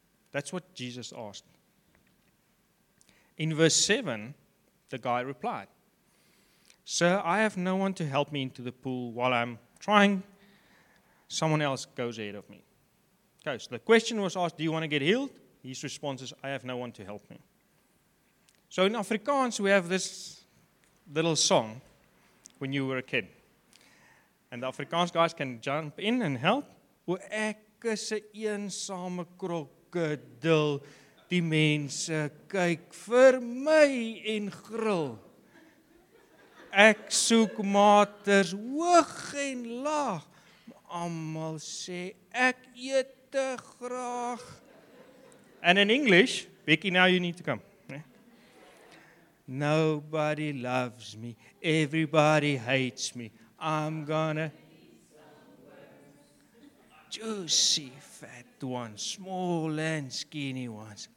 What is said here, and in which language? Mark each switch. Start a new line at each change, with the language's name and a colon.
English: That's what Jesus asked. In verse 7, the guy replied, "Sir, I have no one to help me into the pool while I'm trying. Someone else goes ahead of me." Okay, so the question was asked, "Do you want to get healed?" His response is, "I have no one to help me." So in Afrikaans, we have this little song when you were a kid. And the Afrikaans guys can jump in and help.
Afrikaans: "Hoe ek is 'n eensame krokodil, die mense kyk vir my en gril. Ek soek maters hoog en laag, almal sê ek eet te graag."
English: And in English, Becky, now you need to come. "Nobody loves me. Everybody hates me. I'm gonna eat some worms. Juicy fat ones, small and skinny ones.